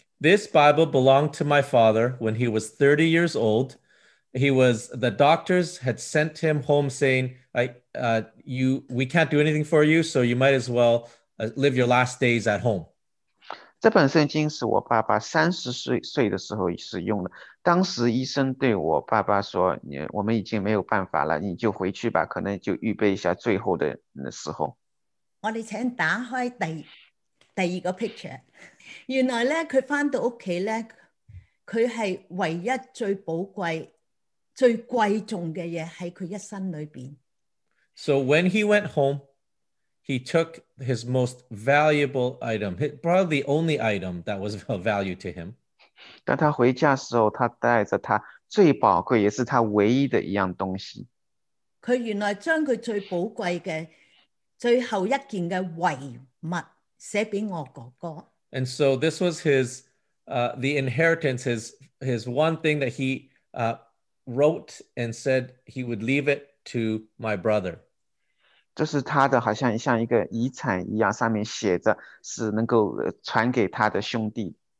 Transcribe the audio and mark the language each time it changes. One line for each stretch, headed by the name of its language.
English: This Bible belonged to my father when he was 30 years old. The doctors had sent him home saying, we can't do anything for you, so you might as well live your last days at home.
Chinese: 这本圣经是我爸爸30岁的时候使用的。当时医生对我爸爸说，我们已经没有办法了，你就回去吧，可能就预备一下最后的时候。我们请打开第二个 picture。原来呢，他回到家呢，他是唯一最宝贵、最贵重的东西在他一生里面。
English: So when he went home, he took his most valuable item, probably the only item that was of value to him.
Chinese: 当他回家的时候，他带着他最宝贵，也是他唯一的一样东西。他原来将他最宝贵的、最后一件的遗物写给我哥哥。
English: And so this was his, the inheritance, his one thing that he wrote and said he would leave it to my brother.
Chinese: 这是他的好像像一个遗产一样，上面写着是能够传给他的兄弟。